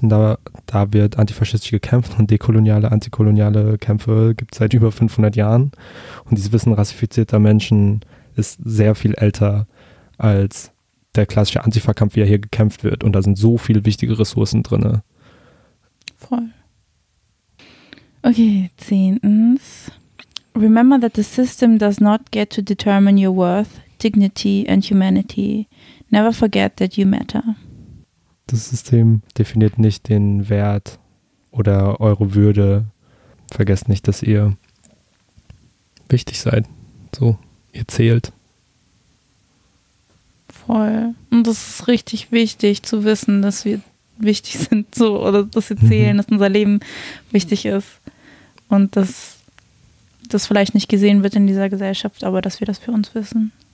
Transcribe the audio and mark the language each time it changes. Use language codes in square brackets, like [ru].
[de] Und da wird antifaschistisch gekämpft und dekoloniale, antikoloniale Kämpfe gibt es seit über 500 Jahren. Und dieses Wissen rassifizierter Menschen ist sehr viel älter als der klassische Antifa-Kampf, wie er hier gekämpft wird. Und da sind so viele wichtige Ressourcen drin. Voll. Okay, zehntens. [en] Remember that the system does not get to determine your worth, dignity and humanity. Never forget that you matter. [de] Das System definiert nicht den Wert oder eure Würde. Vergesst nicht, dass ihr wichtig seid. So, ihr zählt. Und das ist richtig wichtig zu wissen, dass wir wichtig sind, so, oder dass wir zählen, dass unser Leben wichtig ist und dass das vielleicht nicht gesehen wird in dieser Gesellschaft, aber dass wir das für uns wissen.